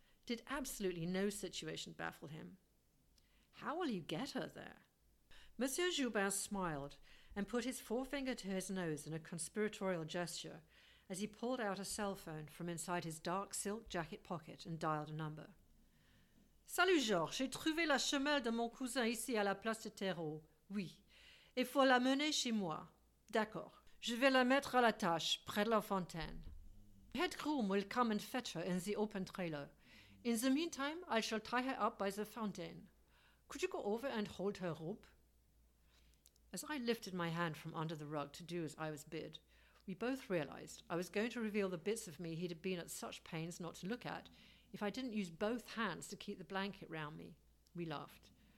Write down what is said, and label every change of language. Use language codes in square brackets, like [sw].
[en] Did absolutely no situation baffle him? "How will you get her there?" Monsieur Joubin smiled and put his forefinger to his nose in a conspiratorial gesture as he pulled out a cell phone from inside his dark silk jacket pocket and dialed a number. [fr] "Salut, Georges. J'ai trouvé la chamelle de mon cousin ici à la place de Terreau. Oui. Il faut la mener chez moi. D'accord. Je vais la mettre à la tâche, près de la fontaine. [en] The head groom will come and fetch her in the open trailer. In the meantime, I shall tie her up by the fountain. Could you go over and hold her rope?" As I lifted my hand from under the rug to do as I was bid, we both realized I was going to reveal the bits of me he'd have been at such pains not to look at if I didn't use both hands to keep the blanket round me. We laughed.